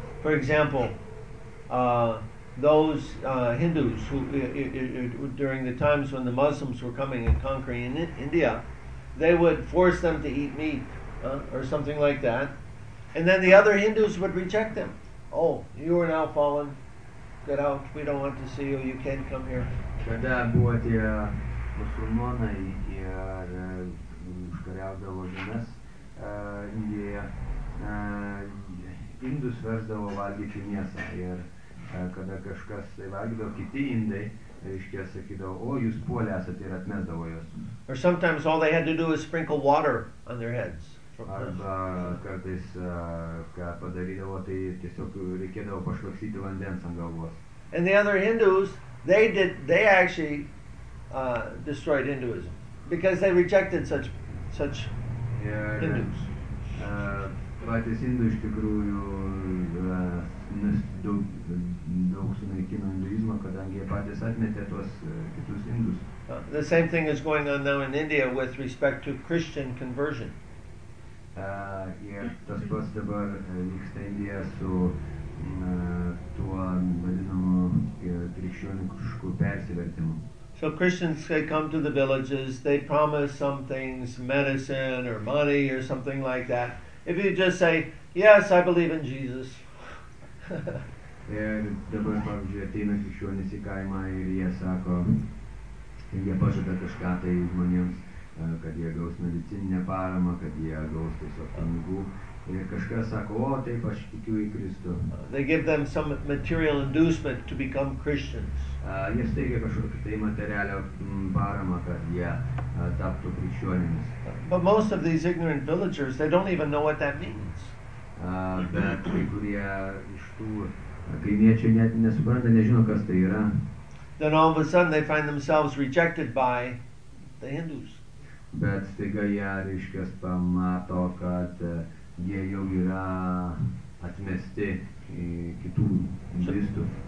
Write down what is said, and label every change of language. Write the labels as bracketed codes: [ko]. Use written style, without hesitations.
[en] For example, those Hindus who during the times when the Muslims were coming and conquering in India, they would force them to eat meat or something like that. And then the other Hindus would reject them. Oh, you are now fallen. Get out. We don't want to see you. You can't come here. [lt] Kada buvo tie musulmonai ir užkariaudavo žemes Indijoje, Indus versdavo valgyti mėsą. Ir kada kažkas tai valgydavo, kiti Indai, reiškia, sakydavo, o jūs puolę esat ir atmesdavo jos. [en] Or sometimes all they had to do is sprinkle water on their heads. [lt] Arba kartais, ką padarydavo, tai tiesiog reikėdavo pašlaksyti vandens ant galvos. [en] And the other Hindus, they actually destroyed Hinduism. because they rejected such Hindus. [lt] Patys Indai iš tikrųjų daug sunaikino hinduizmą, kadangi jie patys atmetė tuos kitus Indus. [en] The same thing is going on now in India with respect to Christian conversion. [lt] Ir tas pats dabar vyksta Indija su tuo vadinamu krikščioniškų persivertimu. [en] So Christians, they come to the villages, they promise some things, medicine or money or something like that. If you just say, yes, I believe in Jesus. [lt] Ir dabar, pavyzdžiui, ateina krikščionis į kaimą ir jie sako, jie pažada kažką tai žmonėms, kad jie gaus medicininę paramą, kad jie gaus tiesiog pinigų. Ir kažkas sako, o taip, aš tikiu į Kristų. [en] They give them some material inducement to become Christians. [lt] Jis teigia kažkokį tai materialią paramą, kad jie taptų krikščionimis. [en] But most of these ignorant villagers, they don't even know what that means. [lt] Bet kai kurie iš tų kaimiečių net nesupranta, nežino, kas tai yra. [en] Then all of a sudden they find themselves rejected by the Hindus. [lt] Bet staiga jie, reiškias, pamato, kad jie jau yra atmesti kitų hinduistų.